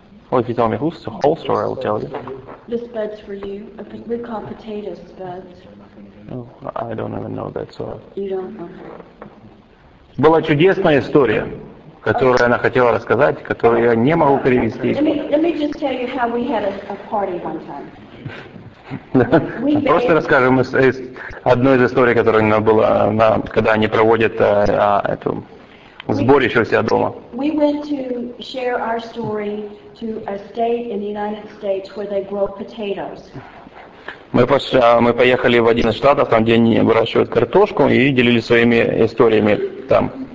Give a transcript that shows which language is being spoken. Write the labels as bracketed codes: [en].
[en] Well, if you tell me who's the whole story, I will tell you. This Bud's for you. We call potatoes Buds. Oh, I don't even know that, so... You don't know. [ru] Была чудесная история, которую она хотела рассказать, которую я не могу перевести. [en] Let me just tell you how we had a party one time. [ru] Просто расскажем из одной из историй, которая у нас была, когда они проводят эту сборище у себя дома. [en] We went to share our story to a state in the United States where they grow potatoes. [ru] Мы поехали в один из штатов, там, где они выращивают картошку, и делились своими историями там.